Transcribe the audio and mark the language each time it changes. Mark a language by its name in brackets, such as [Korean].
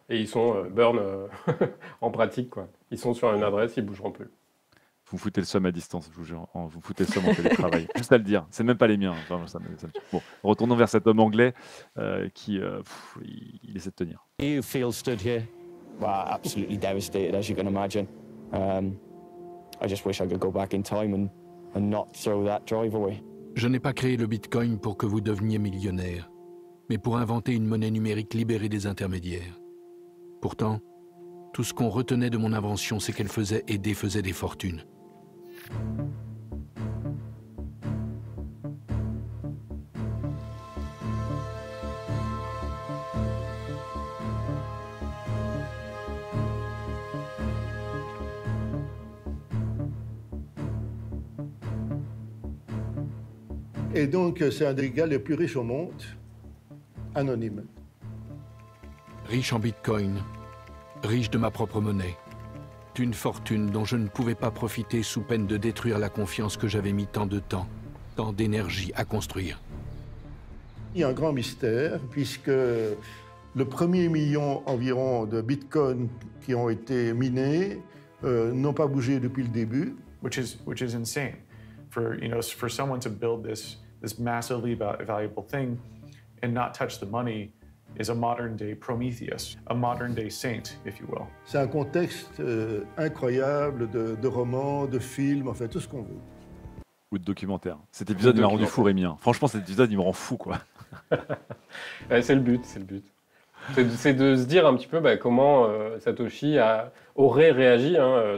[French] Et ils sont burn en pratique, quoi. Ils sont sur une adresse, ils ne bougeront plus. Vous foutez le somme à distance, je vous jure. Vous foutez le somme en télétravail. Juste à le dire. C'est même pas les miens. Enfin, bon, retournons vers cet homme anglais qui essaie de tenir. [English] Do you feel stood here? Well, absolutely devastated, as you can imagine. I just wish I could go back in time and not throw that drive away. [French] Je n'ai pas créé le Bitcoin pour que vous deveniez millionnaire, mais pour inventer une monnaie numérique libérée des intermédiaires. Pourtant, tout ce qu'on retenait de mon invention, c'est qu'elle faisait et défaisait des fortunes. Et donc, c'est un des gars les plus riches au monde, anonyme. Riche en Bitcoin. Riche de ma propre monnaie, d'une fortune dont je ne pouvais pas profiter sous peine de détruire la confiance que j'avais mis tant de temps, tant d'énergie à construire. Il y a un grand mystère, puisque le premier million environ de bitcoins qui ont été minés n'ont pas bougé depuis le début. [English] Which is insane for, you know, for someone to build this massively valuable thing and not touch the money. Is a modern day Prometheus, a modern day saint, if you will. [French] C'est un contexte incroyable de romans, de films, en fait, tout ce qu'on veut. Ou de documentaires. Cet épisode m'a rendu fou, Rémi. Franchement, cet épisode, il me rend fou, quoi. Ouais, c'est le but. C'est de se dire un petit peu comment Satoshi aurait réagi. Hein.